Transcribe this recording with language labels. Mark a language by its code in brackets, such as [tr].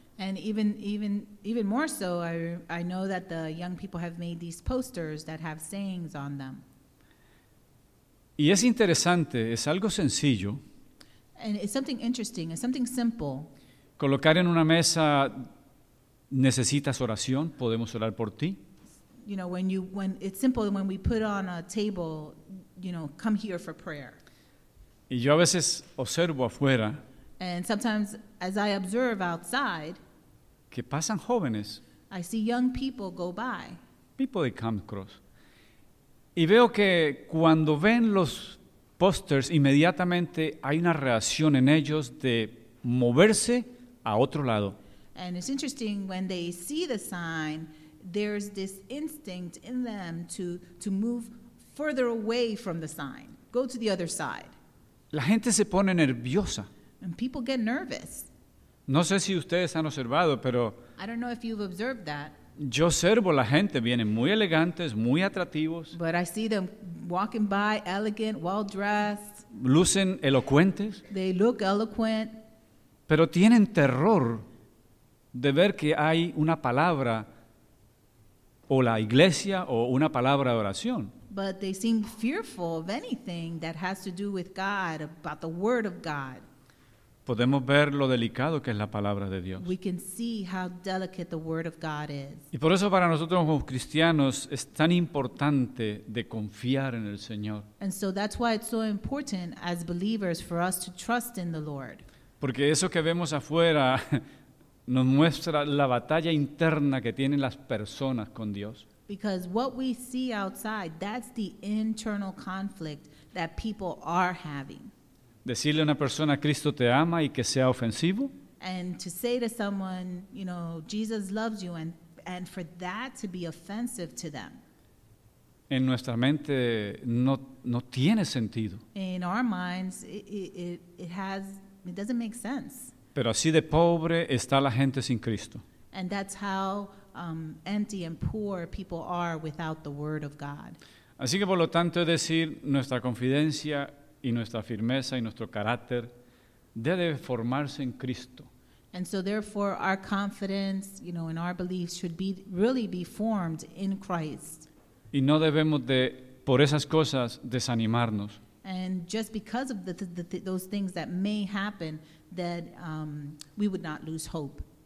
[en] And even more so, I know that the young people have made these posters that have sayings on them. [es] Y es interesante, es algo sencillo. [en] And it's something interesting, it's something simple. [es] Colocar en una mesa, necesitas oración, podemos orar por ti. [en] You know, when it's simple, when we put on a table, you know, come here for prayer. [es] Y yo a veces observo afuera. [en] And sometimes, as I observe outside, [es] que pasan jóvenes. [en] I see young people go by. People they come across. [es] Y veo que cuando ven los posters, inmediatamente hay una reacción en ellos de moverse a otro lado. [en] And it's interesting when they see the sign, there's this instinct in them to move further away from the sign. Go to the other side. [es] La gente se pone nerviosa. [en] And people get nervous. [es] No sé si ustedes han observado, pero [en] I don't know if you've observed that. [es] Yo observo la gente, vienen muy elegantes, muy atractivos. [en] But I see them walking by, elegant, well-dressed. [es] Lucen elocuentes. [en] They look eloquent. [es] Pero tienen terror de ver que hay una palabra o la iglesia o una palabra de oración. [en] But they seem fearful of anything that has to do with God, about the word of God. [es] Podemos ver lo delicado que es la palabra de Dios. [en] We can see how delicate the word of God is. [es] Y por eso para nosotros como cristianos es tan importante de confiar en el Señor. [en] And so that's why it's so important as believers for us to trust in the Lord. [es] Porque eso que vemos afuera nos muestra la batalla interna que tienen las personas con Dios. [en] Because what we see outside, that's the internal conflict that people are having. [es] Decirle a una persona, Cristo te ama, y que sea ofensivo. [en] And to say to someone, you know, Jesus loves you, and for that to be offensive to them. [es] En nuestra mente no tiene sentido. [en] In our minds, it doesn't make sense. [es] Pero así de pobre está la gente sin Cristo. [en] And that's how empty and poor people are without the word of God. [es] Así que por lo tanto es decir, nuestra confidencia y nuestra firmeza y nuestro carácter debe formarse en Cristo. [en] And so therefore our confidence, you know, and our beliefs should be really be formed in Christ. [es] Y no debemos de, por esas cosas, desanimarnos. [en] And just because of those things that may happen, that we would not lose hope.